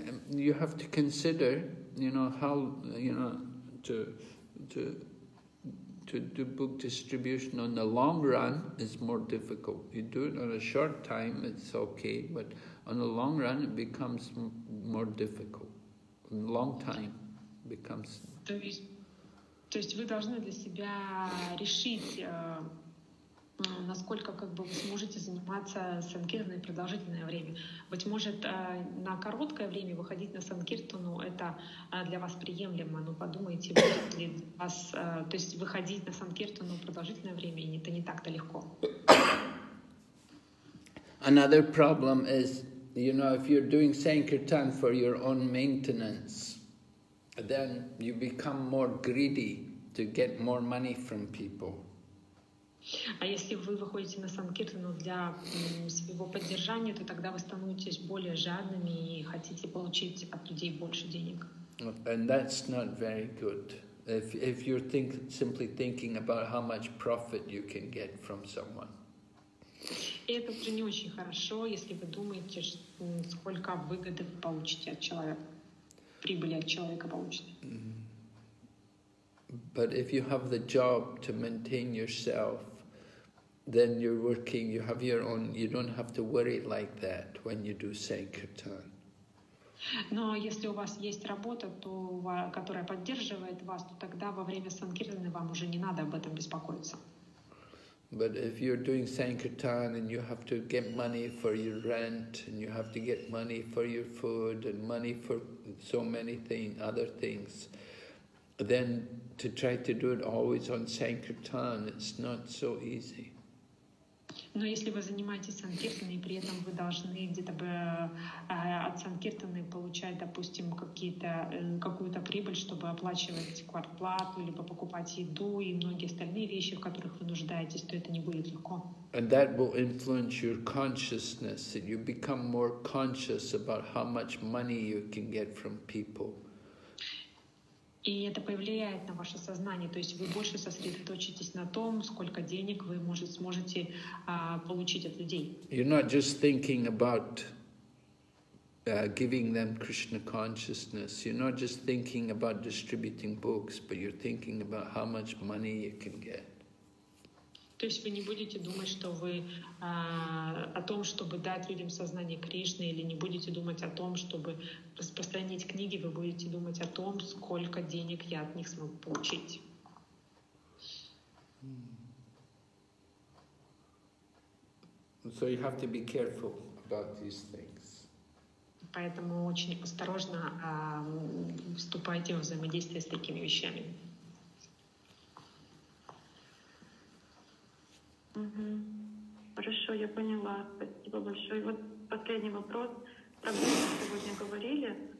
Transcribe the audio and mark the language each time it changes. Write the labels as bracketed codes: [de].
[en] You have to consider, you know, how, you know, to do book distribution on the long run is more difficult. You do it on a short time, it's okay, but on the long run it becomes more difficult. Long time becomes. [ru] То есть вы должны для себя решить, насколько как бы вы сможете заниматься санкиртаной продолжительное время. Быть может, на короткое время выходить на санкиртану – это для вас приемлемо, но подумайте, будет ли вас… То есть выходить на санкиртану продолжительное время – это не так-то легко. [en] Another problem is, you know, if you're doing sankirtan for your own maintenance, then you become more greedy to get more money from people. [ru] А если вы выходите на санкиртану для своего поддержания, то тогда вы становитесь более жадными и хотите получить от людей больше денег. [en] And that's not very good. If you're simply thinking about how much profit you can get from someone. [ru] И это уже не очень хорошо, если вы думаете, сколько выгоды вы получите от человека, прибыли от человека получите. Mm-hmm. [en] But if you have the job to maintain yourself, then you're working, you have your own, you don't have to worry like that when you do sankirtan. [ru] Но если у вас есть работа, то которая поддерживает вас, то тогда во время санкиртаны вам уже не надо об этом беспокоиться. [en] But if you're doing sankirtan and you have to get money for your rent and you have to get money for your food and money for so many other things, then to try to do it always on sankirtan, it's not so easy. [ru] Но если вы занимаетесь санкиртаной, при этом вы должны где-то бы от санкиртаны получать, допустим, какую-то прибыль, чтобы оплачивать квартплату, либо покупать еду и многие остальные вещи, в которых вы нуждаетесь, то это не будет легко. [en] And that will influence your consciousness, and you become more conscious about how much money you can get from people. [ru] И это повлияет на ваше сознание, то есть вы больше сосредоточитесь на том, сколько денег вы сможете получить от людей. [en] You're not just thinking about giving them Krishna consciousness. You're not just thinking about distributing books, but you're thinking about how much money you can get. [ru] То есть вы не будете думать, что вы о том, чтобы дать людям сознание Кришны, или не будете думать о том, чтобы распространить книги, вы будете думать о том, сколько денег я от них смогу получить. [en] So you have to be careful about these things. [ru] Поэтому очень осторожно вступайте в взаимодействие с такими вещами. Угу. Хорошо, я поняла. Спасибо большое. И вот последний вопрос. Про гопи сегодня говорили.